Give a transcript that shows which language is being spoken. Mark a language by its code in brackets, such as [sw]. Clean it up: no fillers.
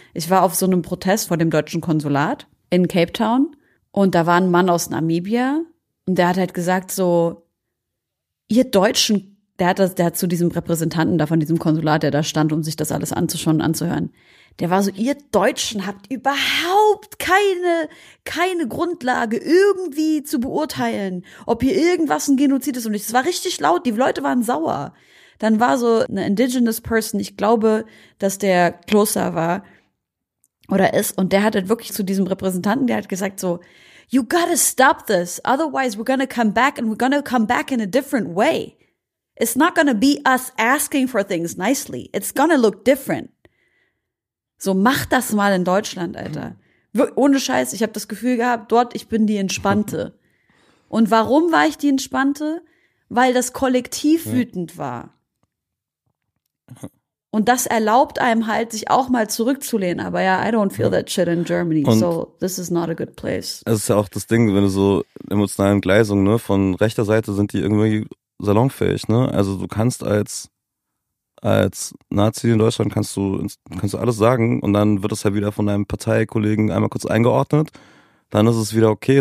[de] Ich war auf so einem Protest vor dem deutschen Konsulat in Cape Town und da war ein Mann aus Namibia und der hat halt gesagt so, ihr Deutschen, der hat zu diesem Repräsentanten da von diesem Konsulat, der da stand, um sich das alles anzuschauen und anzuhören, der war so, ihr Deutschen habt überhaupt keine Grundlage irgendwie zu beurteilen, ob hier irgendwas ein Genozid ist und nicht. Das war richtig laut, die Leute waren sauer. Dann war so eine [en] indigenous person, [de] ich glaube, dass der Xhosa war oder ist, und der hat halt wirklich zu diesem Repräsentanten, der hat gesagt so, [en] you gotta stop this. Otherwise, we're gonna come back and we're gonna come back in a different way. It's not gonna be us asking for things nicely. It's gonna look different. [de] So mach das mal in Deutschland, Alter. Ohne Scheiß, ich habe das Gefühl gehabt, dort, ich bin die Entspannte. Und warum war ich die Entspannte? Weil das Kollektiv wütend war. Und das erlaubt einem halt, sich auch mal zurückzulehnen. Aber ja, [en] I don't feel that shit in Germany. [de] Und so, [en] this is not a good place. [de] Es ist ja auch das Ding, wenn du so emotionalen Gleisungen, ne, von rechter Seite sind die irgendwie salonfähig, ne? Also du kannst als Nazi in Deutschland kannst du alles sagen und dann wird das halt wieder von deinem Parteikollegen einmal kurz eingeordnet. Dann ist es wieder okay.